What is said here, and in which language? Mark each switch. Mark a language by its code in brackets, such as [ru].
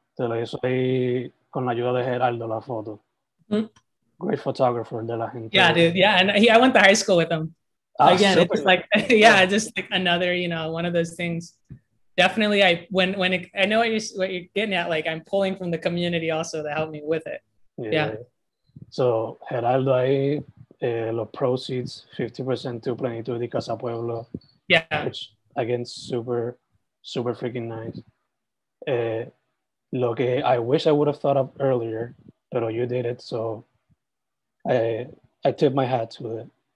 [es] Te lo hizo ahí con la ayuda de Gerardo, la foto. [en] Great photographer [es] de la gente. [en] Yeah, dude, yeah, and he, I went to high school with him. Again, super. It's like, yeah, just like another, you know, one of those things. Definitely, I know what you're getting at, like, I'm pulling from the community also to help me with it. Yeah. So, Gerardo [es] ahí, los [en] proceeds, 50% to Plenitud y Casa Pueblo. Yeah. Which, again, super, super freaking nice. [es] Lo que [en] I wish I would have thought of earlier, [es] pero [en] you did it, so I tip my hat to it.